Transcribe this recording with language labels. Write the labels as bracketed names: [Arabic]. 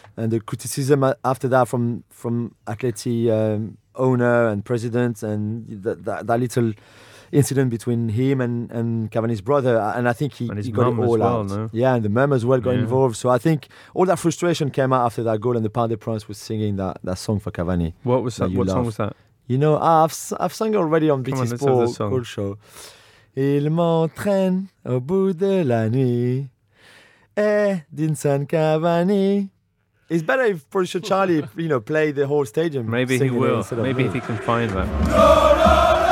[English] And the criticism after that from Atleti owner and president, and that little incident between him and Cavani's brother. And I think he got it all as well, out. No? Yeah, and the mum as well got involved. So I think all that frustration came out after that goal, and the Parc des Princes was singing that song for Cavani. What was that? What song was that? You know, I've sung already on BT Sport, cool show. [French] Il m'entraîne au bout de la nuit, d'Insan Cavani. [English] It's better if producer Charlie, you know, play the whole stadium. Maybe he will. Maybe if he can find that.